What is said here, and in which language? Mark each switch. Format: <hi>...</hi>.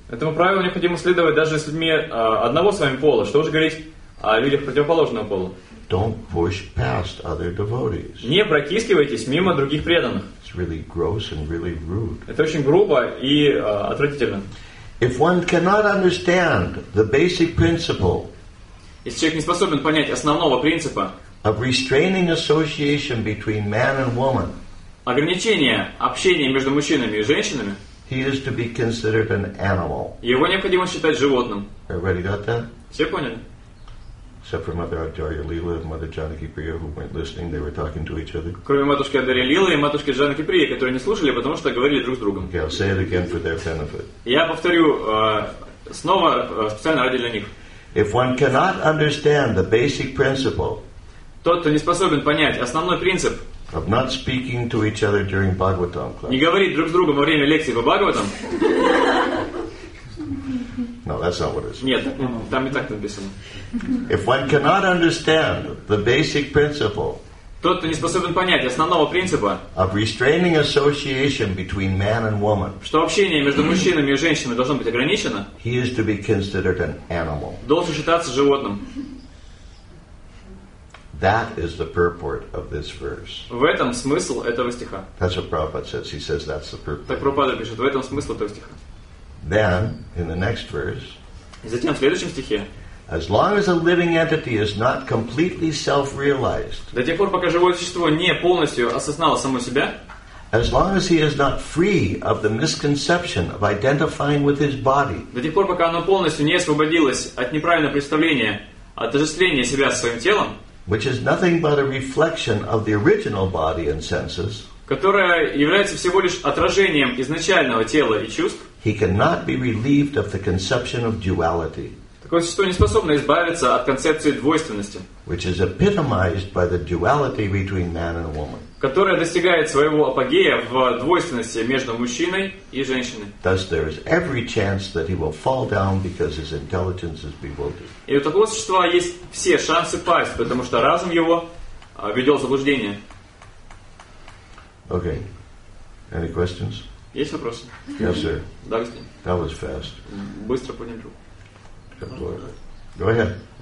<ru>Этому правилу необходимо следовать даже с людьми одного с вами пола. Что уже говорить о людях противоположного пола.</ru> <en>Don't push past other devotees.</en> <ru>Не протискивайтесь мимо других преданных.</ru> <en>It's really gross and really rude.</en> <ru>Это очень грубо и отвратительно.</ru> <en>If one cannot understand the basic principle,</en> <ru>если человек не способен понять основного принципа</ru> <en>of restraining association between man and woman,</en> <ru>ограничения общения между мужчинами и женщинами,</ru> <en>he is to be considered an animal.</en> <ru>Его необходимо считать животным.</ru> <en>Everybody got that?</en> <ru>Все поняли?</ru> <en>Except for Mother Acharya Leela and Mother Janaki Priya, who weren't listening, they were talking to each other.</en> <ru>Кроме матушки Ачарьи Лилы и матушки Джанаки Прии, которые не слушали, потому что говорили друг с другом.</ru> <en>Okay, I'll say it again for their benefit.</en> <ru>Я повторю снова специально ради для них.</ru> <en>If one cannot understand the basic principle,</en> <ru>тот, кто не способен понять основной принцип,</ru> <en>of not speaking to each other during Bhagavatam class,</en> <ru>не говорить друг с другом во время лекции по Бхагаватам.</ru> <en>No, that's not what it is.</en> <ru>Нет, там и так написано.</ru> <en>If one cannot understand the basic principle,</en> <ru>тот, кто не способен понять основного принципа,</ru> <en>of restraining association between man and woman,</en> <ru>что общение между мужчинами и женщинами должно быть ограничено,</ru> <en>he is to be considered an animal.</en> <ru>Должен считаться животным.</ru> <en>That is the purport of this verse.</en> <ru>В этом смысл этого стиха.</ru> <en>That's what Prabhupada says. He says that's the purport.</en> <ru>Так Прабхупада пишет, в этом смысл этого стиха.</ru> <en>Then, in the next verse,</en> <ru>и затем в следующем стихе,</ru> <en>as long as a living entity is not completely self-realized,</en> <ru>до тех пор, пока живое существо не полностью осознало само себя,</ru> <en>as long as he is not free of the misconception of identifying with his body,</en> <ru>до тех пор, пока оно полностью не освободилось от неправильного представления, от отождествления себя со своим телом,</ru> <en>which is nothing but a reflection of the original body and senses,</en> <ru>которая является всего лишь отражением изначального тела и чувств,</ru> <en>he cannot be relieved of the conception of duality.</en> <ru>что не способно избавиться от концепции двойственности,</ru> <en>which is epitomized by the duality between man and woman,</en> <ru>которая достигает своего апогея в двойственности между мужчиной и женщиной.</ru> <en>Thus there is every chance that he will fall down because his intelligence is bewildered.</en> <ru>И у такого существа есть все шансы пасть, потому что разум его ведет в заблуждение.</ru> <en>Okay. Any questions?</en> <ru>Есть вопросы?</ru> <en>Yes, sir.</en> <ru>Да, господин.</ru> <en>That was fast.</en> <ru>Быстро понял.</ru> <en>Go ahead.</en>